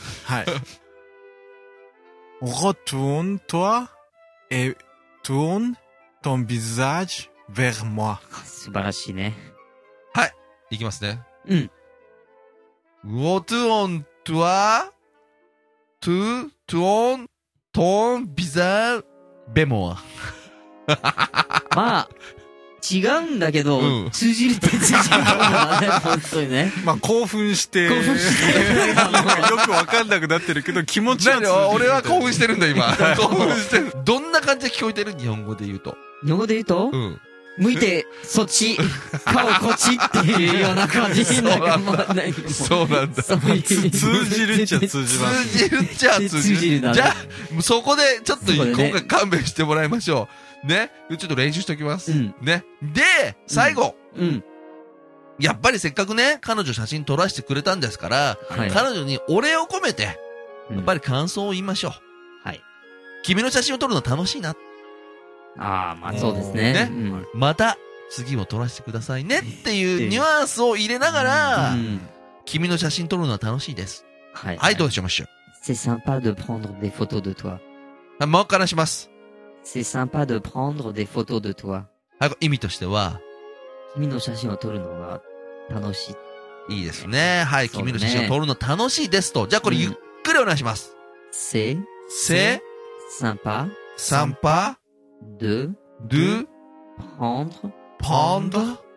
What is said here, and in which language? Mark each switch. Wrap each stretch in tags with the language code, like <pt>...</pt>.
<fr>はい、Retourne toi et tourne ton visage vers moi.</fr> <ja>素晴らしいね。はい、いきますね。うん。</ja> <fr>Retourne toi to tourne ton visage vers moi.</fr> <ja>まあ違うんだけど、うん、通じるって通じるからね、本当にね。まあ興奮して、興奮してよくわかんなくなってるけど気持ちは通じるみたいな。俺は興奮してるんだ今。興奮してる。どんな感じで聞こえてる？日本語で言うと。日本語で言うと？うん、向いてそっち、顔こっちっていうような感じ。そうなんだ。そうなんだ。通じるっちゃ通じます。通じるっちゃ通じる。通じるな。じゃあそこでちょっと、ね、今回勘弁してもらいましょう。ね、ちょっと練習しておきます、うん、ね、で最後、うんうん、やっぱりせっかくね彼女写真撮らせてくれたんですから、はい、彼女にお礼を込めて、うん、やっぱり感想を言いましょう、はい、君の写真を撮るの楽しいな、あー、まあそうです ね、ね、うん、また次も撮らせてくださいねっていうニュアンスを入れながら、うん、君の写真撮るのは楽しいです、はい、はい、どうしましょう、</ja> <fr>c'est sympa de prendre des photos de toi、</fr> <ja>もう一回話します、</ja> <fr>C'est sympa de prendre des photos de toi.</fr> <ja>意味としては、君の写真を撮るのが楽しい。いいですね。はい、ね、君の写真を撮るの楽しいですと。じゃあこれゆっくりお願いします。</ja> <fr>C'est sympa. Sympa. De prendre. Prendre.</fr>